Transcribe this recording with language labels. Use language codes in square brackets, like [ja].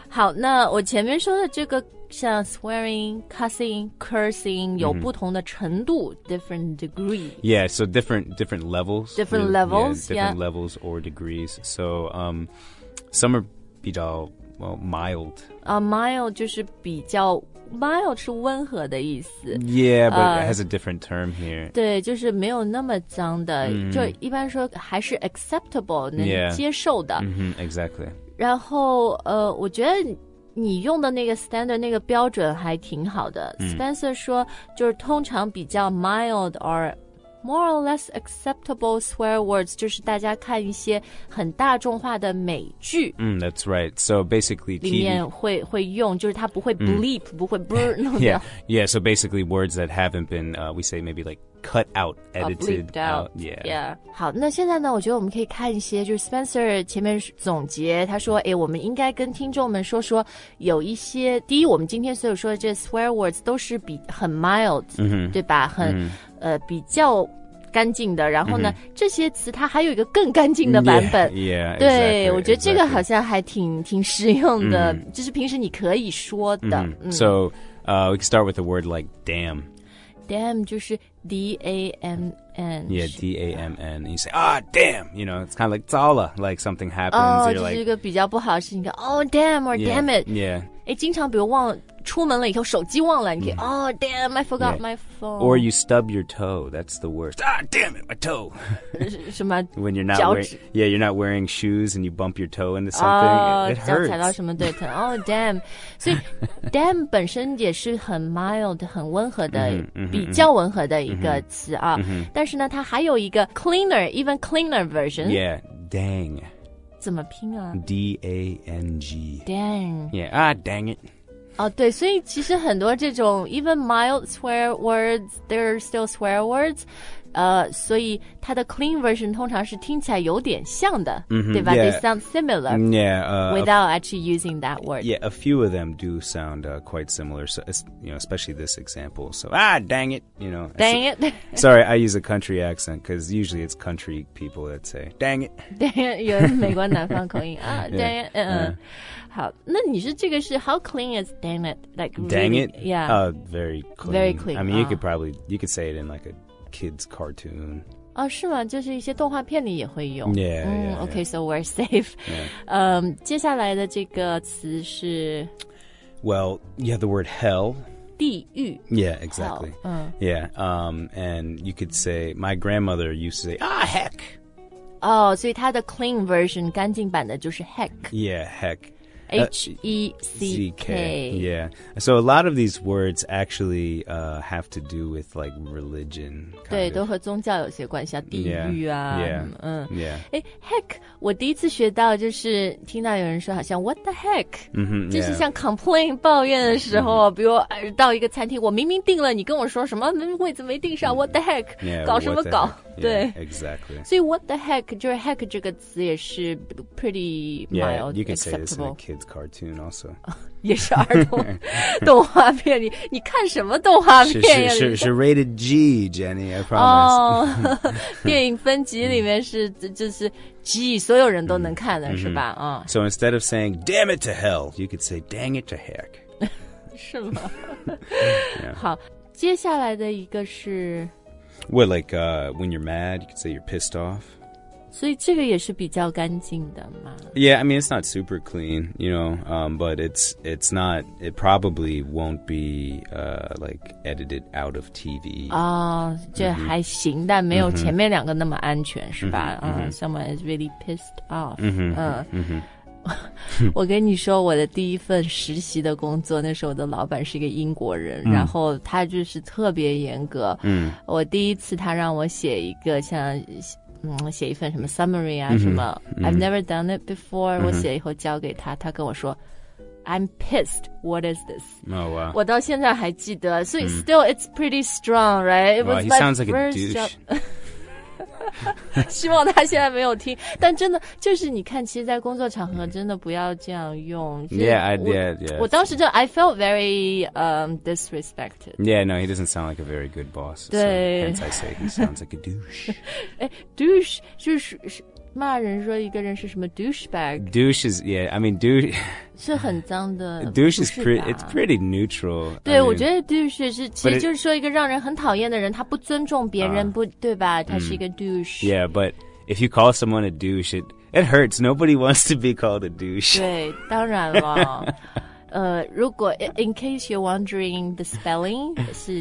[zh] 好那我前面说的这个像 [en] swearing, cussing, cursing [zh] 有不同的程度 [en] different degree. Yeah, so different levels. Different levels, yeah. Different levels or degrees. So, some are [zh] 比较 [en] mild. [zh] Mild 就是比较 mild 是温和的意思。 [en] Yeah, but it has a different term here. [zh] 对，就是没有那么脏的、mm-hmm. 就一般说还是 acceptable, 能接受的。 [en] Yeah. Mm-hmm, exactly. [zh] 然后我觉得你用的那个 standard, 那个标准还挺好的。Mm-hmm. Spencer 说就是通常比较 [en] mild or more or less acceptable swear words, [zh] 就是大家看一些很大众化的美剧。 [en] Mm, that's right. So basically, TV... 里面会用，就是它不会 bleep,、mm. 不会 brr 弄的。 Yeah, so basically words that haven't been,、we say maybe like cut out, edited out. Yeah. [zh] 好，那现在呢，我觉得我们可以看一些，就是 Spencer 前面总结，他说，哎，我们应该跟听众们说说有一些，第一，我们今天所有说的这 swear words 都是比很 mild,、 mm-hmm. 对吧？很、mm-hmm. 比较干净的，然后呢、mm-hmm. 这些词它还有一个更干净的版本 [en] yeah, yeah, [zh] 对、 [en] exactly, [zh] 我觉得这个好像还挺实用的、 mm-hmm. 就是平时你可以说的、 mm-hmm. [en] So we can start with a word like damn. [zh] Damn 就是 D-A-M-N. [en] Yeah, D-A-M-N. And you say, ah, damn. You know, it's kind of like [zh] 糟了 [en] like something happens. Oh, you're [zh] 就是一个比较不好的事情 [en] Oh, damn or yeah, damn it. Yeah. [zh] 经常比如忘了出门了以后手机忘了你可以、mm-hmm. [en] Oh damn I forgot、 yeah. my phone Or you stub your toe That's the worst Ah damn it my toe [zh] 什么 [en] When you're not wearing Yeah you're not wearing shoes And you bump your toe into something、It hurts [zh] 脚踩到什么对疼 [en] Oh damn [zh] 所以 damn 本身也是很 mild 很温和的 比较温和的一个词啊、 mm-hmm. 但是呢它还有一个 [en] cleaner Even cleaner version Yeah dang [zh] 怎么拼啊 [en] D-A-N-G Dang Yeah ah dang it [zh] Oh, 对所以其实很多这种 [en] even mild swear words, [zh] they're still swear words, 所以它的 clean version 通常是听起来有点像的、 mm-hmm, 对吧、 [en] yeah. They sound similar yeah,、 without actually using that word. Yeah, a few of them do sound、quite similar, so, you know, especially this example. So, ah, dang it, you know. Dang it. Sorry, I use a country accent because usually it's country people that say, dang it. Dang it, [zh] 有美国南方口音 [en] ah, dang it, [zh] 好，那你是这个是 [en] how clean is dang it like really, dang it yeah very clean very clean I mean you could probably you could say it in like a kid's cartoon [zh] 哦是吗就是一些动画片里也会用 [en] yeah, yeah, yeah. okay so we're safe、 yeah. [zh] 接下来的这个词是 [en] well you have the word hell [zh] 地狱 [en] yeah exactly hell,、 yeah and you could say my grandmother used to say ah heck [zh] 哦所以它的 clean version 干净版的就是 heck [en] yeah heck HECK. Yeah. So a lot of these words actually、have to do with like religion. [zh] 对都和宗教有些关系啊地狱啊。 [en] Yeah. Yeah. 嗯 yeah. [zh] Heck, 我第一次学到就是听到有人说好像 [en] what the heck?、 Mm-hmm, [zh] 就是像 complain 抱怨的时候、 mm-hmm. 比如到一个餐厅我明明订了你跟我说什么位子没订上、mm-hmm. [en] what the heck? Yeah, [zh] 搞什么搞 [en] yeah, [zh] 对。 [en] Exactly. [zh] 所以 [en] what the heck, [zh] 就是 heck 这个词也是 [en] pretty mild, yeah, you can acceptable. Say this in a kid's cartoon also. [zh] 也是儿童动画片你看什么动画片呀 [en] 是 rated G Jenny I promise、 [zh] oh, 电影分级里面是就是 G 所有人都能看的、mm-hmm. 是吧、 [en] So instead of saying damn it to hell you could say dang it to heck [zh] 是吗 [en] yeah. [zh] 好接下来的一个是 [en] What like、when you're mad you could say you're pissed off [zh] 所以这个也是比较干净的嘛。 [en] Yeah, I mean, it's not super clean, you know,、but it's not, it probably won't be,、like, edited out of TV. [zh] 哦、这还行、 mm-hmm. 但没有前面两个那么安全、 mm-hmm. 是吧、 mm-hmm. [en] Someone is really pissed off. Mm-hmm. Mm-hmm. [zh] 我跟你说我的第一份实习的工作那时候我的老板是一个英国人、 mm-hmm. 然后他就是特别严格。嗯、mm-hmm. 我第一次他让我写一个像写一份什么 summary 啊、 mm-hmm. 什么、 mm-hmm. [en] I've never done it before、 mm-hmm. [zh] 我写以后交给他他跟我说 [en] I'm pissed What is this?、 Oh, wow. [zh] 我到现在还记得所以、mm-hmm. [en] still it's pretty strong right? It was wow, he sounds like a douche [zh] 希望他现在没有听但真的就是你看其实在工作场合真的不要这样用 [en] Yeah, I did, yeah [zh] 我当时就 [en] I felt very、disrespected Yeah, no, he doesn't sound like a very good boss [zh] 对、 [en] so, Hence I say he sounds like a douche [zh] 哎 douche 就是骂人说一个人是什么 douchebag [en] Douche is, yeah, I mean douche [zh] 是很脏的 [en] Douche is pretty, it's pretty neutral [zh] 对 [en] I mean, [zh] 我觉得 douche 是其实就是说一个让人很讨厌的人他不尊重别人、不对吧他是一个 douche [en] Yeah, but if you call someone a douche, it hurts. Nobody wants to be called a douche. [zh] 对，当然了。 [en] 如果 in case you're wondering, the spelling is